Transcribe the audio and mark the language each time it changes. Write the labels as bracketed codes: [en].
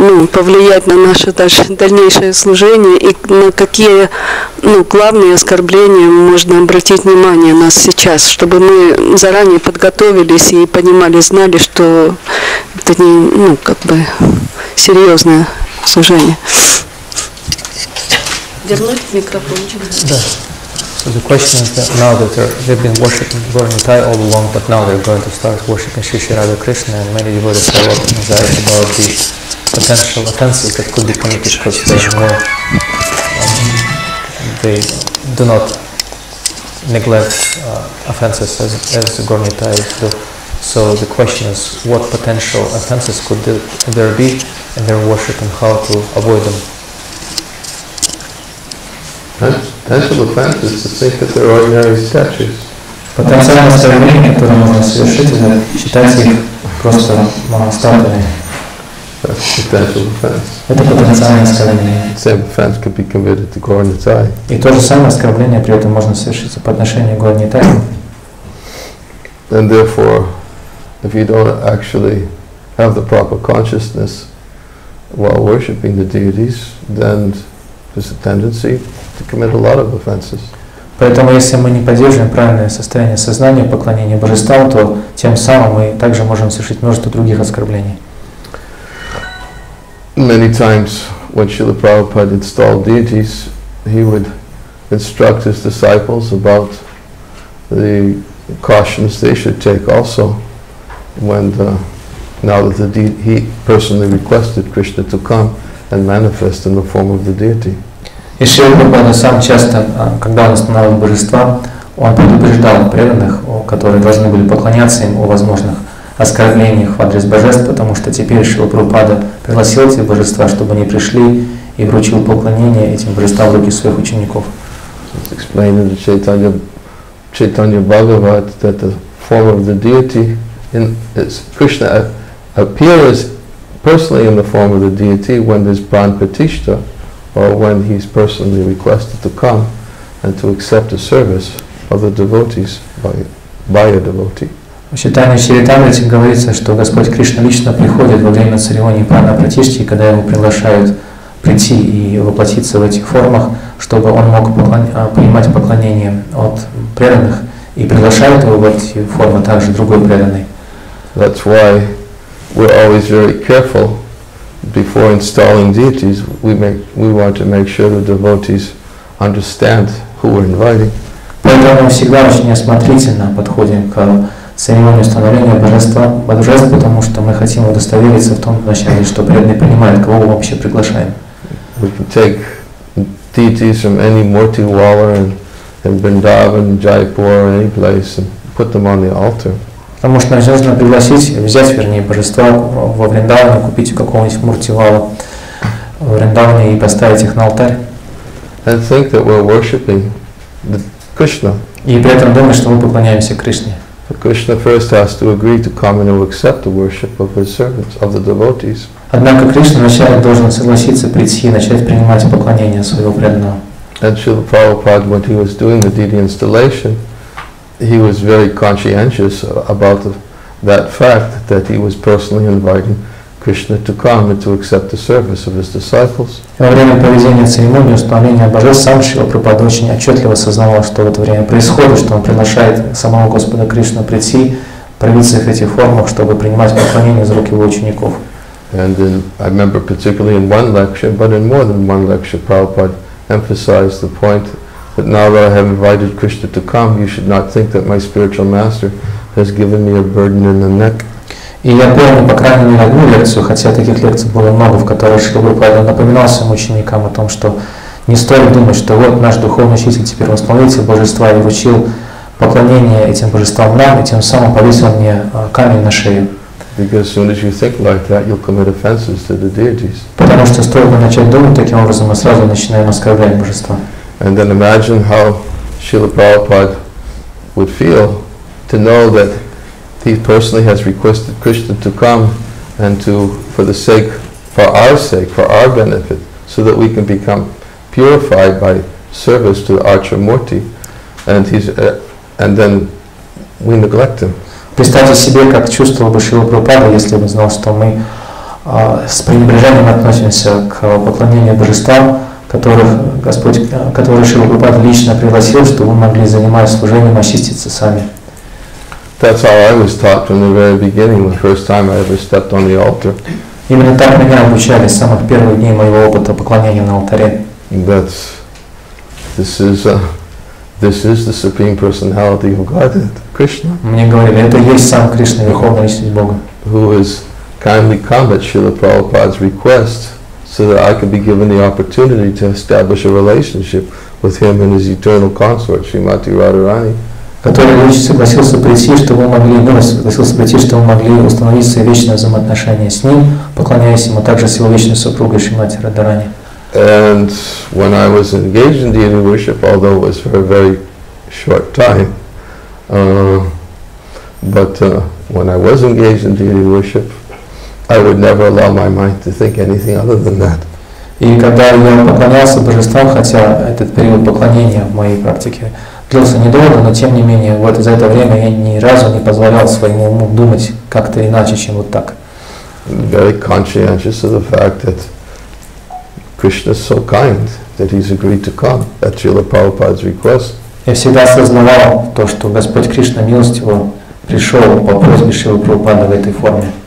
[ru] повлиять на наше даже дальнейшее служение, и на какие главные оскорбления можно обратить внимание нас сейчас, чтобы мы заранее подготовились и понимали, знали, что это не серьезное служение. Вернуть микрофончик. Да. [en] So the question is that now that they've been worshipping Guru Nitai all along, but now they're going to start worshipping Sri Sri Radha Krishna, and many devotees have a lot of anxiety about the potential offenses that could be committed because they do not neglect offenses as Guru Nitai do. So the question is, what potential offenses could there be in their worship and how to avoid them? Potential offense is to think that they're ordinary statues. Potential [ru] оскорбление, которое можно совершить, это считать их просто статуями. [en] That's potential offense. [ru] Это потенциальное оскорбление. [en] Same offense could be committed to Guru Nitai. [ru] И то же самое оскорбление при этом можно совершить по отношению к Guru Nitai. [en] And therefore, if you don't actually have the proper consciousness while worshipping the deities, then there's a tendency to commit a lot of offenses. [ru] Поэтому, если мы не поддерживаем правильное состояние сознания поклонения божествам, то тем самым мы также можем совершить множество других оскорблений. [en] Many times when Srila Prabhupada installed deities, he would instruct his disciples about the cautions they should take also when the, now that the he personally requested Krishna to come and manifest in the form of the deity. [ru] И Шрила Прабхупада сам часто, когда он устанавливал божества, он предупреждал преданных, которые должны были поклоняться им, о возможных оскорблениях в адрес божеств, потому что теперь Шрила Прабхупада пригласил эти божества, чтобы они пришли и вручил поклонение этим божествам в руки своих учеников. [en] It's explained in the Chaitanya Bhagavat that the form of the deity in is Krishna appears personally in the form of the deity when there's pran pratishtha, or when he's personally requested to come and to accept the service of the devotees by a devotee. [ru] В Читании Чаритамрите говорится, что Господь Кришна лично приходит во время церемонии прана пратишти, когда его приглашают прийти и воплотиться в этих формах, чтобы он мог принимать поклонение от преданных и приглашают его в эти формы также другой преданный. [en] That's why we're always very careful. Before installing deities, we want to make sure the devotees understand who we're inviting. [ru] Поэтому мы всегда очень осмотрительно подходим к церемонии установления божества, божеств, потому что мы хотим удостовериться в том вначале, что преданные понимают, кого мы вообще приглашаем. [en] We can take deities from any Murti Waller in Vrindavan, Jaipur, or any place, and put them on the altar. [ru] Потому что нужно пригласить, взять, вернее, божества во Вриндаване, купить какого-нибудь муртивала в Вриндаване и поставить их на алтарь. [en] Think that we're worshiping the Krishna. [ru] И при этом думать, что мы поклоняемся Кришне. [en] Krishna first has to agree to come and accept the worship of his servants, of the devotees. [ru] Однако Кришна вначале должен согласиться прийти и начать принимать поклонение своего преданного. [en] And Srila Prabhupada, when he was doing the deity installation, he was very conscientious about that fact that he was personally inviting Krishna to come and to accept the service of his disciples. [ru] Во время проведения церемонии установления божеств сам Шрила Прабхупада очень отчетливо осознавал, что в это время происходит, что он приглашает самого Господа Кришну прийти, проявиться в этих формах, чтобы принимать поклонение из рук его учеников. [en] And in, I remember particularly in one lecture, but in more than one lecture, Prabhupada emphasized the point that now that I have invited Krishna to come, you should not think that my spiritual master has given me a burden in the neck. [ru] И я помню, по крайней мере, одну лекцию, хотя таких лекций было много, в которых Шрила Прабхупада напоминал своим ученикам о том, что не стоит думать, что вот наш духовный учитель теперь восполнитель божества и вручил поклонение этим божествам нам, и тем самым повесил мне камень на шею. [en] Because as soon as you think like that, you'll commit offenses to the deities. [ru] Потому что стоит мы начать думать таким образом, мы сразу начинаем оскорблять божества. [en] And then imagine how Srila Prabhupada would feel to know that he personally has requested Krishna to come and to, for our benefit, so that we can become purified by service to Archamurti, and then we neglect him. [ru] Представьте себе, как чувствовал бы Шрила Прабхупада, если бы знал, что мы с пренебрежением относимся к поклонению божествам, которых Господь, которые Шрила Прабхупада лично пригласил, чтобы мы могли заниматься служением, очиститься сами. [en] That's how I was taught from the very beginning, the first time I ever stepped on the altar. [ru] Именно так меня обучали с самых первых дней моего опыта поклонения на алтаре. [en] This is the Supreme Personality of Godhead, Krishna. [ru] Мне говорили, это есть сам Кришна, Верховная Личность Бога. [en] Who has kindly come at Srila Prabhupada's request, so that I could be given the opportunity to establish a relationship with him and his eternal consort, Srimati Radharani. [ru] Который согласился прийти, чтобы мы могли, установить свои вечные взаимоотношения с ним, поклоняясь ему, также с его вечной супругой Шримати Радарани. [en] And when I was engaged in deity worship, although it was for a very short time, when I was engaged in deity worship, I would never allow my mind to think anything other than that. [ru] И когда я поклонялся божествам, хотя этот период поклонения в моей практике длился недолго, но тем не менее, вот за это время я ни разу не позволял своему уму думать как-то иначе, чем вот так. [en] Very conscientious of the fact that Krishna is so kind that he's agreed to come at Srila Prabhupada's request. [ru] Я всегда осознавал то, что Господь Кришна милостиво пришел по просьбе Шрилы Прабхупады в этой форме.